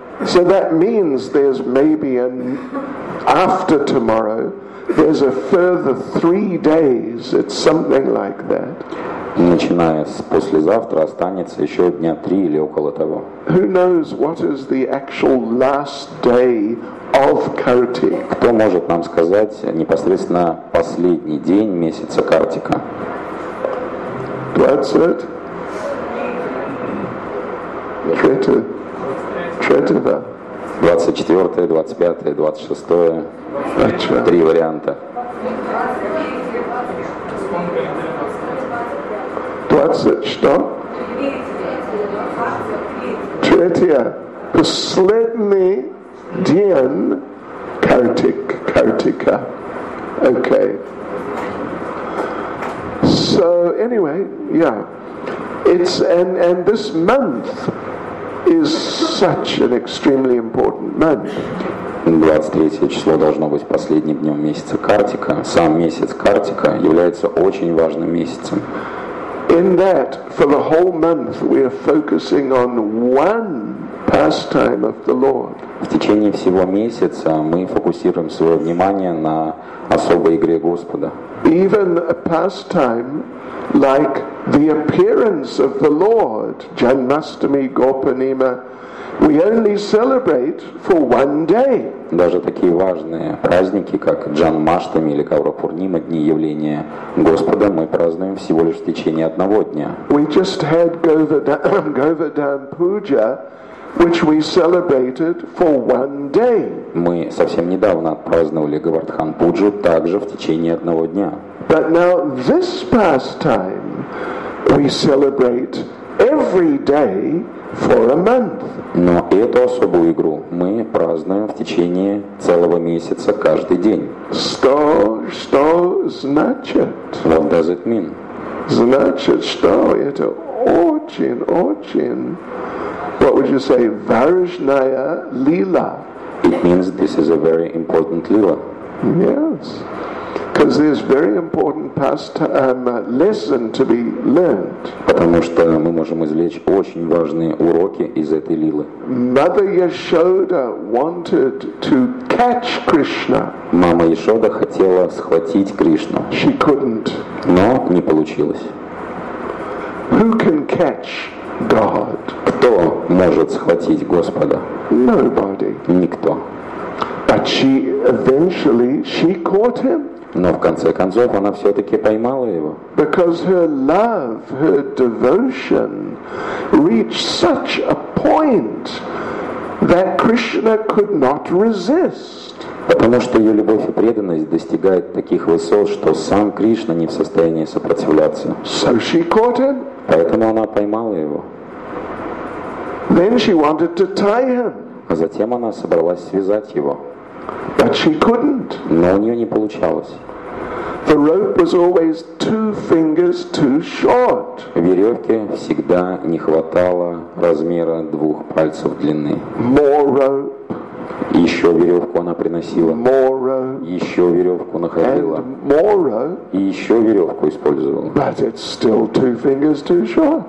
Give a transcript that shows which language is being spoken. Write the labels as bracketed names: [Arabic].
[English] So that means there's maybe an after tomorrow. There's a further 3 days. It's something like that. [Russian] Начиная с послезавтра, останется еще дня три или около того. [English] Who knows what is the actual last day of Kartik? [Russian] Кто может нам сказать непосредственно последний день месяца Картика? [English] That's it. [Russian] Четвертого. 24, 25, 26. Achha. Три варианта. 20, что? Третья. Последний день Картика. [English] Okay. So, anyway, yeah. It's, and this month is such an extremely important month. [Russian] 23 число должно быть последним днем месяца Картика. Сам месяц Картика является очень важным месяцем. [English] In that, for the whole month, we are focusing on one pastime of the Lord. [Russian] В течение всего месяца мы фокусируем свое внимание на особой игре Господа. [English] Even a pastime like the appearance of the Lord, Janmashtami, Gopanima, we only celebrate for one day. [Russian] Даже такие важные праздники, как Джанмаштами или Каврапурнима, дни явления Господа, мы празднуем всего лишь в течение одного дня. [English] We just had Govardhan Puja, which we celebrated for one day. [Russian] Мы совсем недавно отпраздновали Говардхан Пуджу также в течение одного дня. [English] But now this pastime we celebrate every day for a month. [Russian] Но эту особую игру мы празднуем в течение целого месяца каждый день. Что значит? [English] What does it mean? [Russian] Значит, что это очень, очень, [English] what would you say, [Russian] важная лила. [English] It means this is a very important lila. Yes. Because there's very important lesson to be learned. [Russian] Потому что мы можем извлечь очень важные уроки из этой лилы. [English] Mother Yashoda wanted to catch Krishna. [Russian] Мама Яшода хотела схватить Кришну. [English] She couldn't. [Russian] Но не получилось. [English] Who can catch God? [Russian] Кто может схватить Господа? [English] Nobody. [Russian] Никто. [English] But she eventually she caught him. [Russian] Но в конце концов она все-таки поймала его. [English] Because her love, her devotion reached such a point that Krishna could not resist. [Russian] Потому что ее любовь и преданность достигают таких высот, что сам Кришна не в состоянии сопротивляться. [English] So she caught him. [Russian] Поэтому она поймала его. [English] Then she wanted to tie him. [Russian] А затем она собралась связать его. [English] But she couldn't. [Russian] Но у нее не получалось. [English] The rope was always two fingers too short. [Russian] Веревки всегда не хватало размера двух пальцев длины. [English] More rope. [Russian] Еще веревку она приносила. [English] More rope. [Russian] Еще веревку находила. [English] And more rope. [Russian] И еще веревку использовала. [English] But it's still two fingers too short.